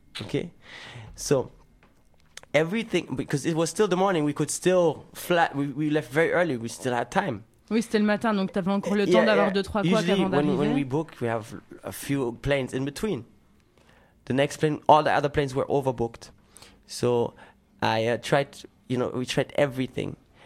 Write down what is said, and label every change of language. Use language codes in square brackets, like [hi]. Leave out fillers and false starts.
[en] Okay, so everything, because it was still the morning, we could still fly. We left very early. We still had time. [fr] Oui, c'était le matin, donc t'avais encore le temps d'avoir deux trois quoi avant d'arriver. [en] When we book, we have a few planes in between. The next plane, all the other planes were overbooked. So I tried, you know, we tried everything.